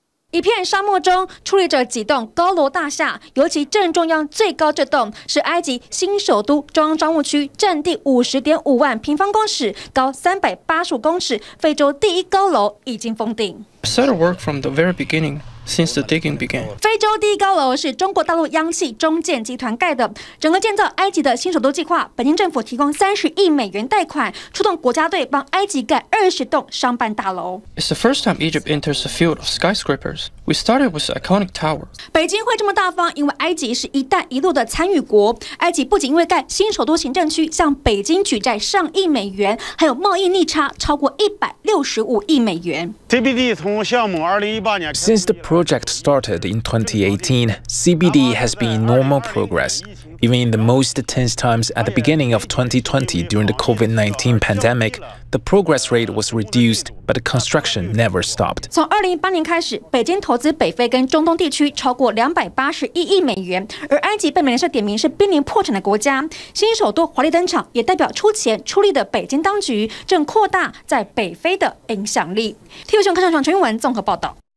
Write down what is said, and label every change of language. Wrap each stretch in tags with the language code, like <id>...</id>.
<zh>一片沙漠中矗立着几栋高楼大厦，尤其正中央最高这栋是埃及新首都中央商务区，占地50.5万平方公尺，高385公尺，非洲第一高楼已经封顶。</zh> <en>Started work from the very beginning. since the digging began.</en> <zh>非洲第一高楼是中国大陆央企中建集团盖的，整个建造埃及的新首都计划，北京政府提供30亿美元贷款，出动国家队帮埃及盖20栋商办大楼。</zh> <en>It's the first time Egypt enters the field of skyscrapers. We started with the iconic tower.</en> <zh>北京会这么大方，因为埃及是一带一路的参与国。埃及不仅因为盖新首都行政区向北京举债上亿美元，还有贸易逆差超过165亿美元。 CBD 从项目2018年</zh> <en>Since the project started in 2018, CBD has been in normal progress. Even in the most tense times at the beginning of 2020 during the COVID-19 pandemic, the progress rate was reduced, but the construction never stopped.</en> <zh>从2018年开始，北京投资北非跟中东地区超过281亿美元，而埃及被美联社点名是濒临破产的国家。新首都华丽登场，也代表出钱出力的北京当局正扩大在北非的影响力。 TV新闻看上场陈玉文综合报道。</zh>